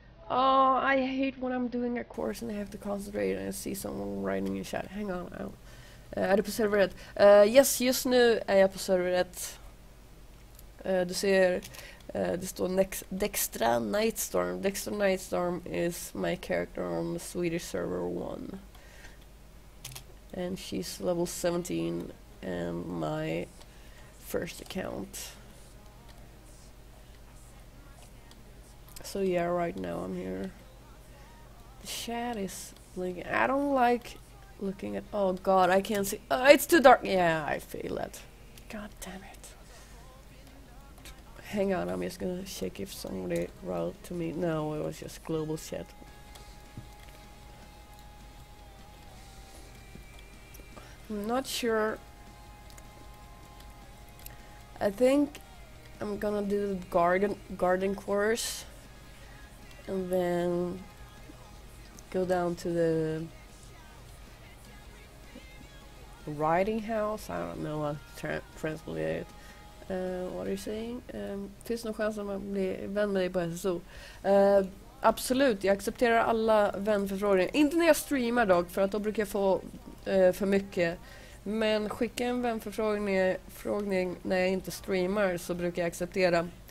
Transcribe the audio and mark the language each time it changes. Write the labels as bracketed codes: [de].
[en] Oh, I hate when I'm doing a course and I have to concentrate and I see someone writing in chat. Hang on, I'll. [sv] Är du på serveret? Yes, just nu är jag på serveret. Du ser, det står Dextra Nightstorm. [en] Dextra Nightstorm is my character on the Swedish server 1. And she's level 17 in my first account. So yeah, right now I'm here. The chat is blinking. I don't like looking at. Oh god, I can't see. Oh, it's too dark. Yeah, I feel that. God damn it. Hang on, I'm just gonna check if somebody wrote to me. No, it was just global chat. I'm not sure. I think I'm gonna do the garden course. And then go down to the riding house. I don't know what to translate it. What are you saying? [sv] Finns någon chans att man blir vän med dig på SSO? Absolut, jag accepterar alla vänförfrågningar. Inte när jag streamar dock, för att då brukar jag få för mycket. Men skicka en vänförfrågning när jag inte streamar så brukar jag acceptera.